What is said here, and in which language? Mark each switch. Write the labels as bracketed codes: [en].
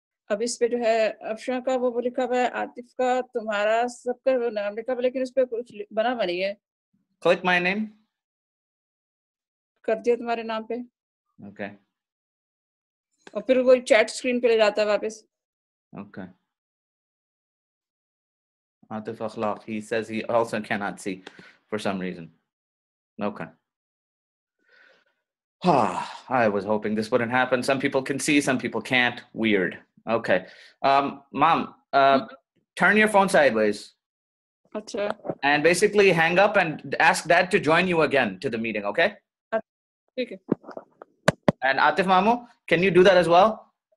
[ur] اب اس پہ جو ہے افشا کا وہ لکھا ہوا ہے عاطف کا تمہارا سب کا نام لکھا ہوا لیکن اس پہ کچھ بنا ہوا نہیں ہے [en] click my name [ur] کر دیا تمہارے نام پہ [en] okay [ur] اور پھر وہ چیٹ اسکرین پہ لے جاتا ہے واپس [en] Okay Atif Akhlaq he says he also can not see for some reason okay I was hoping this wouldn't happen. Some people can see, some people can't. Weird. Okay. Mom, turn your phone sideways. [ur] Achha. [en] And basically hang up and ask Dad to join you again to the meeting, okay? Okay. And Atif Mamu, can you do that as well?